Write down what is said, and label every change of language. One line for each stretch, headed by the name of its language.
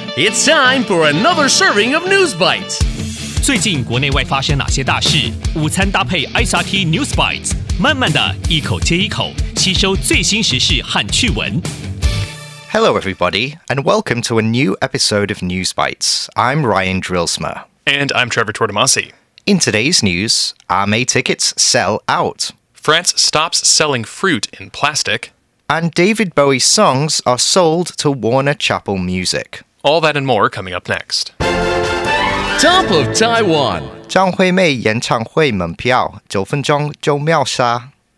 English: It's time for another serving of News Bites.
Chinese: 最近国内外发生哪些大事？午餐搭配 SRT News Bites， 慢慢的一口接一口，吸收最新时事和趣闻。
English: Hello, everybody, and welcome to a new episode of News Bites. I'm Ryan Drilsma. And I'm Trevor Tortomasi. In today's news, Ame tickets sell out. France stops selling fruit in plastic. And David Bowie's songs are sold to Warner Chappell Music. All that and more coming up next. Top of Taiwan.
Chinese: 张惠妹演唱会门票九分钟就秒杀。